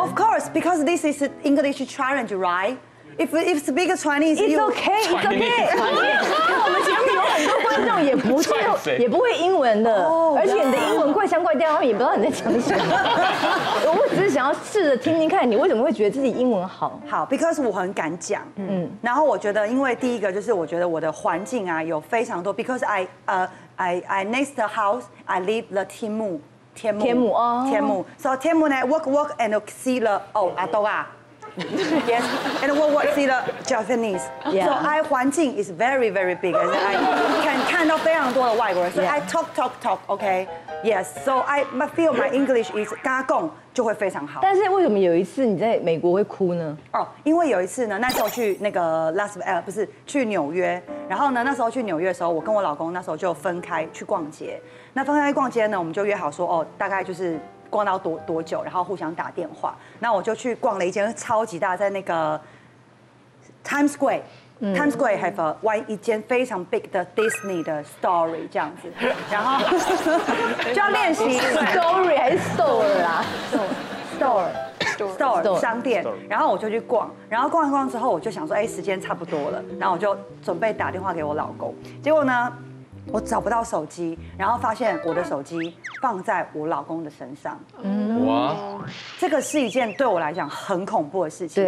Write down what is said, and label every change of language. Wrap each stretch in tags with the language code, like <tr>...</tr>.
<en>？Of course, because this is English challenge, right? If speak Chinese, it's okay, it's okay.</en> <zh>因为我们节目有很多观众也不会英文的， oh, 而且你的英文怪腔怪调，他们也不知道你在讲什么。我只是想要试着听听看，你为什么会觉得自己英文好？好 ，because 我很敢讲，然后我觉得，因为第一个就是我觉得我的环境啊有非常多 ， because I next the house, I live the Timu。天母</zh> <en>So Timu and I work and see the Adoga. Yes, and work see the Japanese. Yeah. So I 环境 is very very big. And I can 看到非常多的外国人 So I talk. Okay. Yes. So I feel my English is 嘎共就会非常好。</en> <zh>但是为什么有一次你在美国会哭呢？哦，因为有一次呢，那时候去那个 Las Vegas 不是去纽约，然后呢，那时候去纽约的时候，我跟我老公那时候就分开去逛街。那分开逛街呢，我们就约好说，哦，大概就是逛到多久，然后互相打电话。那我就去逛了一间超级大，在那个 Times Square。 Times Square have a one 一间非常 big 的 Disney 的 story 这样子，然后就要练习 story 还是 store 啦 store 商店，然后我就去逛，然后逛一逛之后，我就想说，哎，时间差不多了，然后我就准备打电话给我老公，结果呢，我找不到手机，然后发现我的手机放在我老公的身上。哇，这个是一件对我来讲很恐怖的事情。</zh>